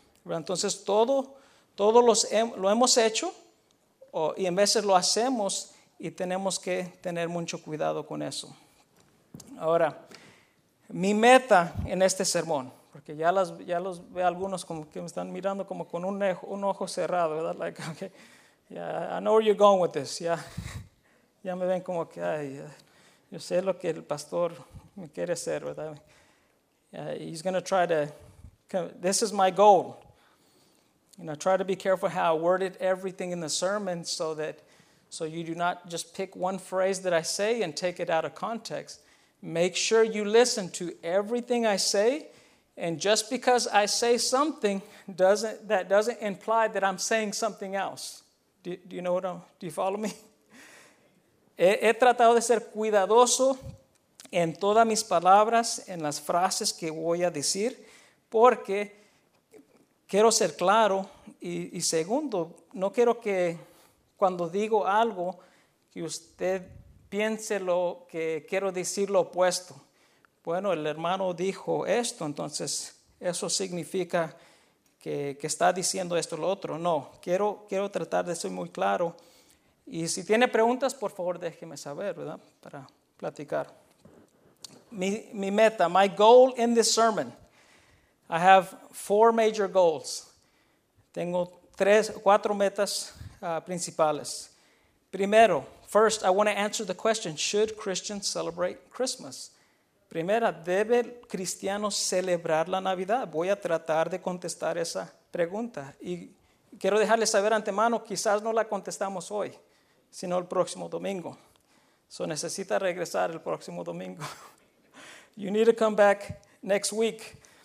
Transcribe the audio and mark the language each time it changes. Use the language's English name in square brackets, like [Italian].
[Spanish] Entonces, todo lo hemos hecho y en veces lo hacemos y tenemos que tener mucho cuidado con eso. Ahora, mi meta en este sermón, porque ya los veo algunos como que me están mirando como con un ojo cerrado, ¿verdad? [English] Like, okay, yeah, I know where you're going with this. [Spanish] Ya me ven como que, ay, yo sé lo que el pastor me quiere hacer, ¿verdad? [English] He's going to try to, this is my goal. You know, try to be careful how I worded everything in the sermon so you do not just pick one phrase that I say and take it out of context. Make sure you listen to everything I say. And just because I say something, doesn't imply that I'm saying something else. Do you know what I'm, do you follow me? [Spanish] He tratado de ser cuidadoso en todas mis palabras, en las frases que voy a decir, porque quiero ser claro y segundo, no quiero que cuando digo algo, que usted piense lo que quiero decir lo opuesto. Bueno, el hermano dijo esto, entonces eso significa que está diciendo esto o lo otro. No, quiero tratar de ser muy claro. Y si tiene preguntas, por favor, déjeme saber, ¿verdad? Para platicar. Mi meta, [English] my goal in this sermon. I have four major goals. [Spanish] Tengo cuatro metas principales. Primero, [English] first, I want to answer the question, should Christians celebrate Christmas? [Spanish] Primera, ¿debe el cristiano celebrar la Navidad? Voy a tratar de contestar esa pregunta. Y quiero dejarle saber antemano, quizás no la contestamos hoy, sino el próximo domingo. [English] So [Spanish] necesita regresar el próximo domingo. [English] You need to come back next week.